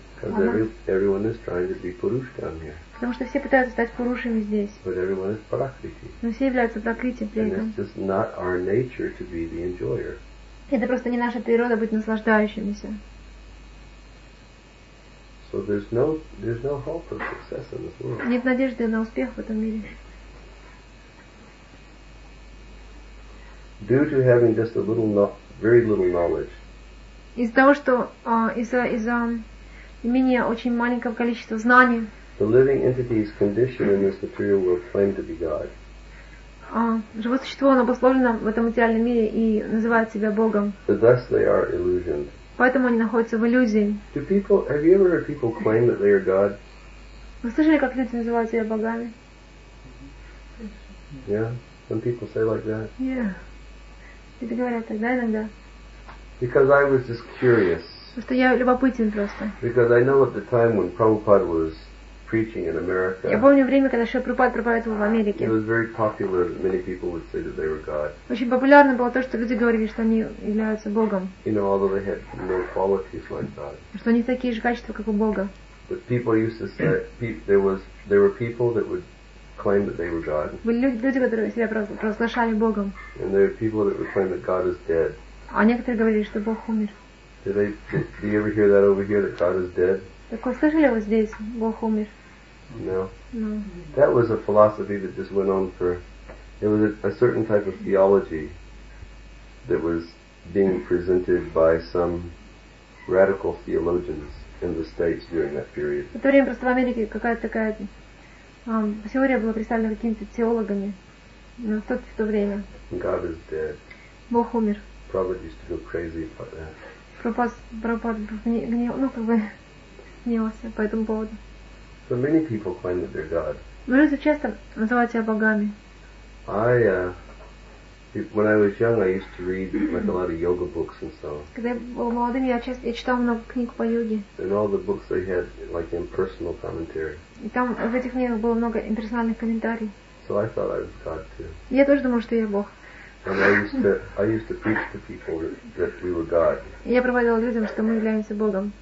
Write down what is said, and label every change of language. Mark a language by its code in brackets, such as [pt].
[en] Because everyone is trying to be Purush down here. [ru] Потому что все пытаются стать Пурушами здесь. [en] But everyone is Prakriti. [ru] Но все являются Пракрити при этом. [en] And it's just not our nature to be the enjoyer. [ru] Это просто не наша природа быть наслаждающимися. [en] So there's no hope of success in this world. [ru] Нет надежды на успех в этом мире. [en] Due to having just a little, very little knowledge. [ru] Из-за того, что из-за имения очень маленького количества знаний. [en] The living entity is conditioned in this material world claim to be God. [ru] Живое существо, оно обусловлено в этом материальном мире и называет себя Богом. [en] So thus they are illusioned. [ru] Поэтому они находятся в иллюзии. [en] Do people, have you ever heard people claim that they are God? [ru] Вы слышали, как люди называют себя богами? [en] Yeah, some people say like that. Yeah. [ru] Люди говорят так, да, иногда? [en] Because I was just curious. [ru] Потому что я любопытен просто. [en] Because I know at the time when Prabhupada was preaching in America. [ru] Я помню время, когда Шрила Прабхупада проповедовал в Америке. [en] It was very popular that many people would say that they were God. [ru] Очень популярно было то, что люди говорили, что они являются Богом. [en] You know, although they had no qualities like God. [ru] Что они такие же качества, как у Бога. [en] But people used to say there were people that would claim that they were God. [ru] Были люди, которые себя провозглашали Богом. [en] And there were people that would claim that God is dead. [ru] А некоторые говорили, что Бог умер. [en] Did you ever hear that over here, that God is dead? [ru] Так вы слышали вот здесь, Бог умер? [en] No. No. That was a philosophy that just went on for... It was a certain type of theology that was being presented by some radical theologians in the States during that period. [ru] В то время просто в Америке какая-то такая теория была представлена какими-то теологами. Но в то время. [en] God is dead. [ru] Бог умер. [en] Prabhupada used to go crazy about that. [ru] По этому поводу. [en] So many people claim that they're God. [ru] Но люди часто называют себя богами. [en] I When I was young, I used to read like a lot of yoga books and so on. [ru] Когда я был молодым, я часто читал много книг по йоге. [en] And all the books they had like impersonal commentary. [ru] И там в этих книгах было много имперсональных комментариев. [en] So I thought I was God too. [ru] Я тоже думал, что я Бог. [en] And I used to preach to people that we were God. [ru] Я проповедовал людям, что мы являемся Богом.